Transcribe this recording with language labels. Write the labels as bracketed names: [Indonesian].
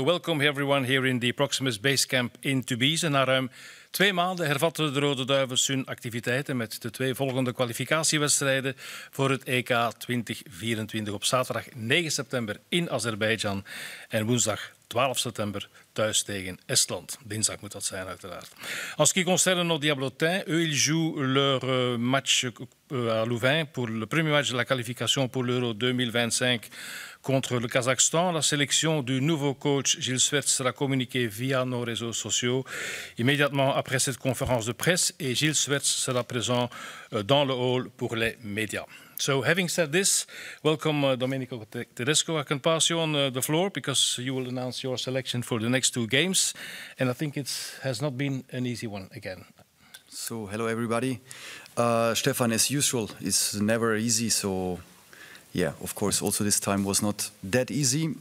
[English] Welcome everyone here in the Proximus Base Camp in Tubize. [Dutch] Na ruim twee maanden hervatten de Rode Duivels hun activiteiten met de twee volgende kwalificatiewedstrijden voor het EK 2024 op zaterdag 9 september in Azerbeidzjan en woensdag 12 september thuis tegen Estland. Dinsdag moet dat zijn, uiteraard. [French] En ce qui concerne nos diablotins, eux, ils jouent leur match à Louvain pour le premier match de la qualification pour l'Euro 2025 contre le Kazakhstan. La sélection du nouveau coach Gilles Swerts sera communiquée via nos réseaux sociaux immédiatement après cette conférence de presse et Gilles Swerts sera présent dans le hall pour les médias. [English] So having said this, welcome Domenico Tedesco. I can pass you on the floor because you will announce your selection for the next two games. And I think it has not been an easy one again. So hello everybody. Stefan, as usual, it's never easy. So yeah, of course, also this time was not that easy.